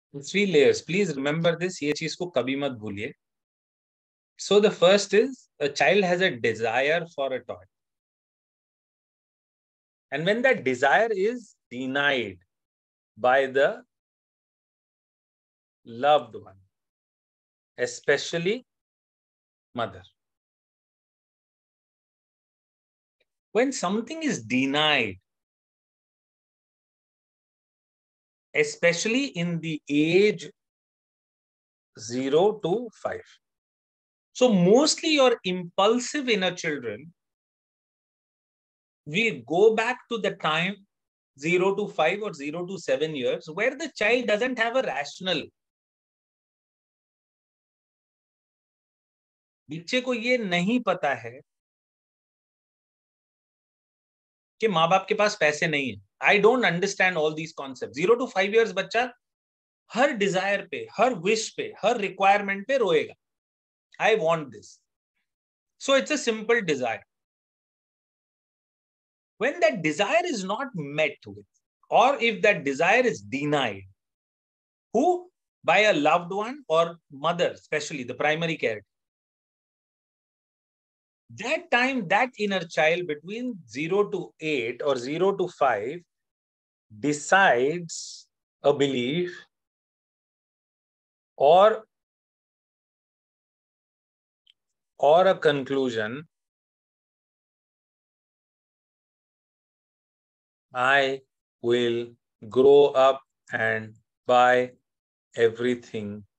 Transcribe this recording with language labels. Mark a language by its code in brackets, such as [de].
[en] three layers, please remember this, [hi] ये चीज को कभी मत भूलिए. [en] So the first is a child has a desire for a toy, and when that desire is denied by the loved one, especially mother. When something is denied, especially in the age 0 to 5, so mostly your impulsive inner children will go back to the time 0 to 5 or 0 to 7 years where the child doesn't have a rational. [hi] बच्चे को ये नहीं पता है कि माँ बाप के पास पैसे नहीं है. [en] I don't understand all these concept. [hi] 0 to 5 years बच्चा हर डिजायर पे, हर विश पे, हर रिक्वायरमेंट पे रोएगा. [en] I want this. So it's a simple desire. When that desire is not met with, और if that desire is denied, who? By a loved one और mother, specially the primary character. That time, that inner child between 0 to 8 or 0 to 5 decides a belief or a conclusion, I will grow up and buy everything.